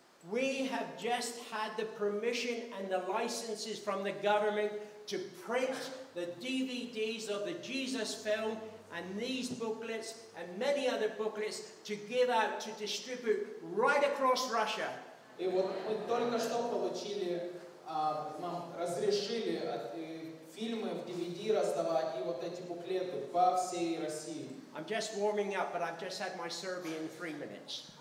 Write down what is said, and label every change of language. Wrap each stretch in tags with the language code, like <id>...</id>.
<en>we have just had the permission and the licenses from the government to print the DVDs of the Jesus film and these booklets and many other booklets to give out to distribute right across Russia.</en> <ru>И вот мы только что получили, нам разрешили фильмы в DVD раздавать и вот эти буклеты по всей России.</ru> <en>I'm just warming up, but I've just had my survey in 3 minutes.</en>